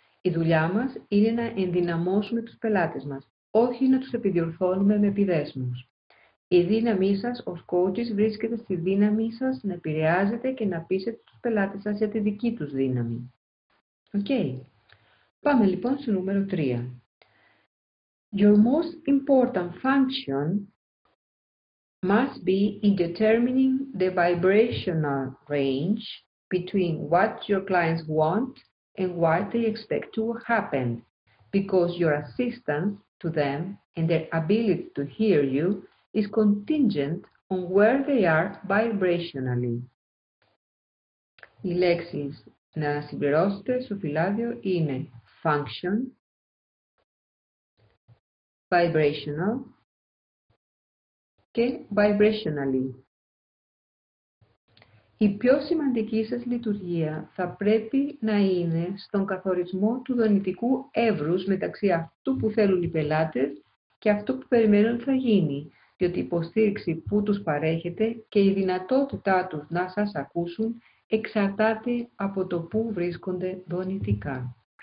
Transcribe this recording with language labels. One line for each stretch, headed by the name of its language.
Greek: Η δουλειά μας είναι να ενδυναμώσουμε τους πελάτες μας, όχι να τους επιδιορθώνουμε με επιδέσμους. Η δύναμή σας ως coaches βρίσκεται στη δύναμή σας να επηρεάζετε και να πείσετε τους πελάτες σας για τη δική τους δύναμη. Okay. Πάμε λοιπόν στο νούμερο 3.
English: Your most important function must be in determining the vibrational range between what your clients want and what they expect to happen, because your assistance to them and their ability to hear you is contingent on where they are vibrationally.
Greek: Οι λέξεις να συμπληρώσετε στο φυλάδιο είναι function, vibrational, και vibrationally. Η πιο σημαντική σας λειτουργία θα πρέπει να είναι στον καθορισμό του δονητικού εύρους μεταξύ αυτού που θέλουν οι πελάτες και αυτού που περιμένουν θα γίνει, διότι η υποστήριξη που τους παρέχετε και η δυνατότητά τους να σας ακούσουν εξαρτάται από το πού βρίσκονται δονητικά.